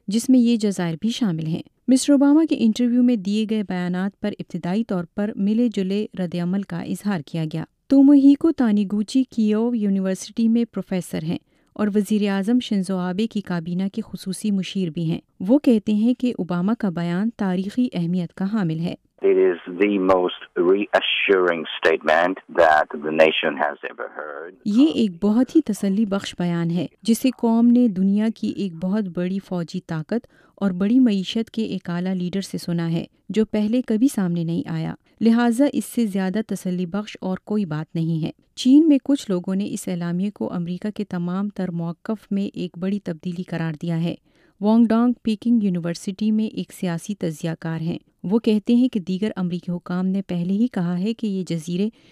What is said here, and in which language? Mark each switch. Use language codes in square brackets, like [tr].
[ur] جس میں یہ جزائر بھی شامل ہیں۔ مسٹر اوباما کے انٹرویو میں دیے گئے بیانات پر ابتدائی طور پر ملے جلے رد عمل کا اظہار کیا گیا۔ توموہیکو تانیگوچی کیوو یونیورسٹی میں پروفیسر ہیں اور وزیر اعظم شنزو آبے کی کابینہ کے خصوصی مشیر بھی ہیں۔ وہ کہتے ہیں کہ اوباما کا بیان تاریخی اہمیت کا حامل ہے۔ [en] It is the most reassuring statement that the nation has ever heard. [ur] یہ ایک بہت ہی تسلی بخش بیان ہے جسے قوم نے دنیا کی ایک بہت بڑی فوجی طاقت اور بڑی معیشت کے ایک اعلیٰ لیڈر سے سنا ہے جو پہلے کبھی سامنے نہیں آیا، لہٰذا اس سے زیادہ تسلی بخش اور کوئی بات نہیں ہے۔ چین میں کچھ لوگوں نے اس اعلامیے کو امریکہ کے تمام تر موقف میں ایک بڑی تبدیلی قرار دیا ہے۔ وانگ ڈانگ پیکنگ یونیورسٹی میں ایک سیاسی تجزیہ کار ہیں۔ وہ کہتے ہیں کہ دیگر امریکی حکام نے پہلے ہی کہا ہے کہ یہ جزیرے